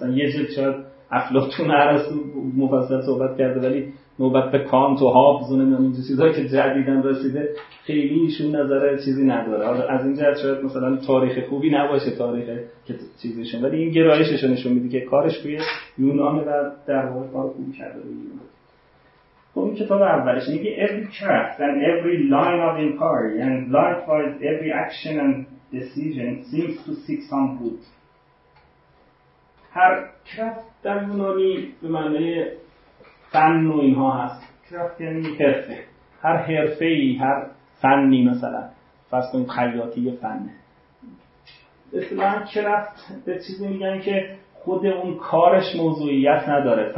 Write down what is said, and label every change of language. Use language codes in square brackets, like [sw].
[fa] مثلا یه جلد شاید افلاطون ارسطو مفصل صحبت کرده ولی نوبت به کانت و هابز و نمیدونم این چیزایی که جدیدن رسیده خیلی ایشون نظر چیزی نداره. از این جهت شاید مثلا تاریخ خوبی نباشه تاریخ که چیزیشون، ولی این گرایششون نشون میده که کارش توی یونان و در واقع کار خوبی کرده توی یونان. خب این کتاب اولش میگه [en] every craft and every line of inquiry and likewise every action and decision seems to seek some good. [fa] هر کرافت در یونانی به معنی فن و اینها هست، کرافت یعنی حرفه، هر حرفه‌ای، هر فنی مثلا فرض کنید خیاطی فنه، مثلا کرافت به چیزی میگن که خود اون کارش موضوعیت نداره.